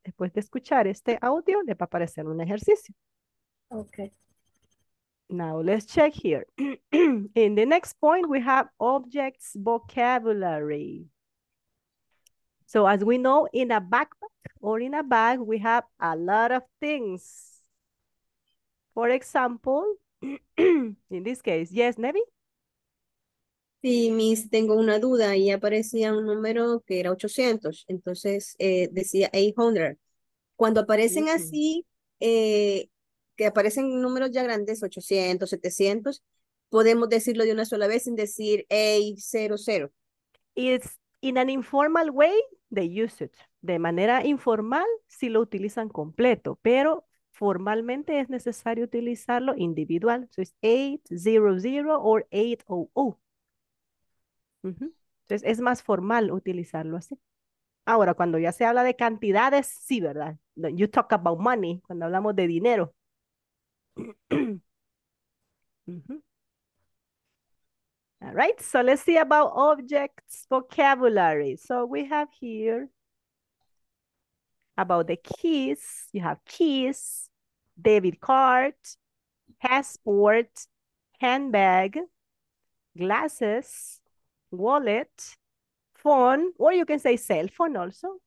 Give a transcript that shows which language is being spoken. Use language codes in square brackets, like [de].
[es] Después de escuchar este audio, le va a aparecer un ejercicio. [en] Okay. Now, let's check here. In the next point, we have objects vocabulary. So as we know, in a backpack or in a bag, we have a lot of things. For example, in this case, yes, Nevi? [es] Sí, Miss, tengo una duda. Ahí aparecía un número que era 800. Entonces, decía 800. Cuando aparecen mm-hmm. así, que aparecen números ya grandes, 800, 700, podemos decirlo de una sola vez sin decir 800. [en] It's in an informal way, they use it. [es] De manera informal, sí lo utilizan completo, pero formalmente es necesario utilizarlo individual. So it's 800 or 800. Mm-hmm. Entonces es más formal utilizarlo así. Ahora, cuando ya se habla de cantidades, sí, ¿verdad? [en] You talk about money, cuando hablamos de dinero. All right, so let's see about objects vocabulary. So we have here about the keys. You have keys, debit card, passport, handbag, glasses, wallet, phone, or you can say cell phone also.